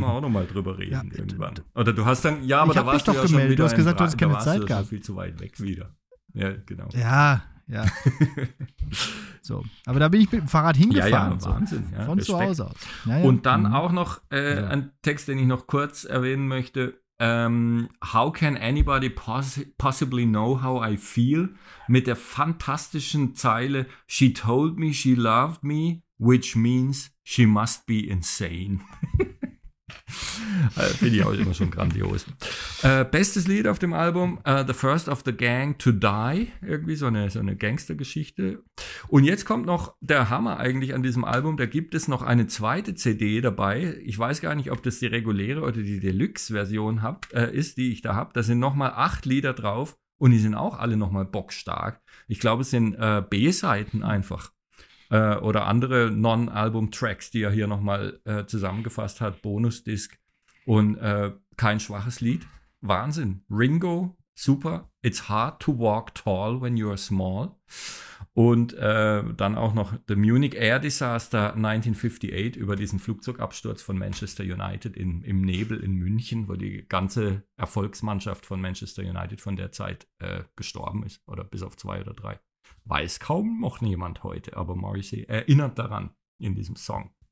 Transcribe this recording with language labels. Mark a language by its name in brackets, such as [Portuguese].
[German] wir auch nochmal drüber reden irgendwann. Oder du hast dann, ja, aber ich da warst du doch gemeldet. Schon wieder, du hast gesagt, du hast keine Zeit gehabt. Da warst du viel zu weit weg wieder. Ja, genau. Ja. So, aber da bin ich mit dem Fahrrad hingefahren. Ja, Wahnsinn. So. Ja, von Respekt. Zu Hause aus. Ja, ja. Und dann auch noch ein Text, den ich noch kurz erwähnen möchte. [English] How can anybody possibly know how I feel? [German] Mit der fantastischen Zeile, [English] she told me she loved me, which means she must be insane. [German] Finde ich auch immer schon grandios. Bestes Lied auf dem Album, The First of the Gang to Die. Irgendwie so eine Gangstergeschichte. Und jetzt kommt noch der Hammer eigentlich an diesem Album. Da gibt es noch eine zweite CD dabei. Ich weiß gar nicht, ob das die reguläre oder die Deluxe-Version ist, die ich da habe. Da sind nochmal 8 Lieder drauf und die sind auch alle nochmal bockstark. Ich glaube, es sind B-Seiten einfach. Oder andere Non-Album-Tracks, die er hier nochmal zusammengefasst hat, Bonus-Disc und kein schwaches Lied. Wahnsinn. Ringo, super. [English] It's hard to walk tall when you're small. [German] Und dann auch noch The Munich Air Disaster 1958 über diesen Flugzeugabsturz von Manchester United im Nebel in München, wo die ganze Erfolgsmannschaft von Manchester United von der Zeit gestorben ist oder bis auf 2 oder 3. Weiß kaum noch jemand heute, aber Morrissey erinnert daran in diesem Song.